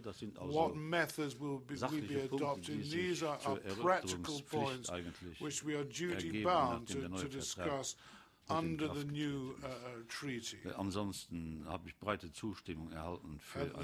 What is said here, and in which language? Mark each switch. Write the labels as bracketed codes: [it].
[de] Das sind also sachliche Punkte, die sich zur Erörterung points [en] which we are duty bound to discuss under the new treaty. [de] Ansonsten habe ich breite Zustimmung erhalten für eine Weiterführung.